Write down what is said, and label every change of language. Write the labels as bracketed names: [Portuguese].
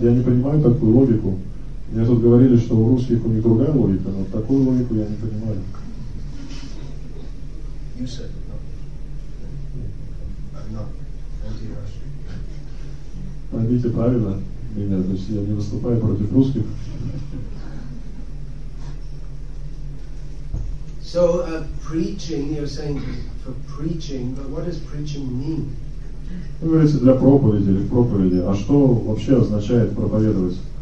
[Russian] Я не понимаю такую логику. Мне тут говорили, что у русских у них другая логика, но такую логику я не понимаю. [English] You said it, not me. I'm not anti-Russian. [Russian] Поймите правильно меня, то есть я не выступаю против русских. [English] So preaching, you're saying for preaching, but what does preaching mean? [Russian] Вы говорите для проповеди или проповеди, а что вообще означает проповедовать?